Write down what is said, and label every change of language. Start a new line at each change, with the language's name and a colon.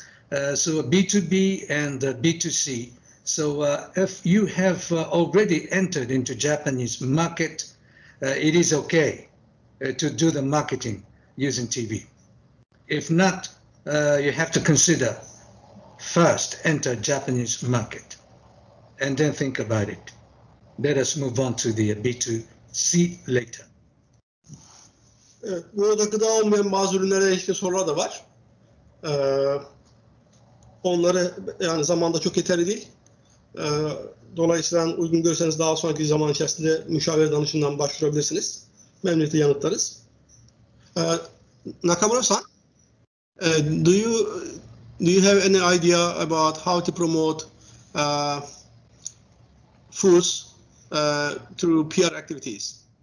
English: So B2B and B2C. So if you have already entered into Japanese market, it is okay to do the marketing using TV. If not, you have to consider first enter Japanese market and then think about it. Let us move on to the B2C later.
Turkish: Evet, burada gıda olmayan bazı ürünlere ilişki sorular da var. Onları, yani zamanda çok yeterli değil. Dolayısıyla uygun görürseniz daha sonraki zaman içerisinde müşavir danışımdan başvurabilirsiniz. Memnuniyetle yanıtlarız.
English: Nakamura-san, do you have any idea about how to promote foods through PR activities?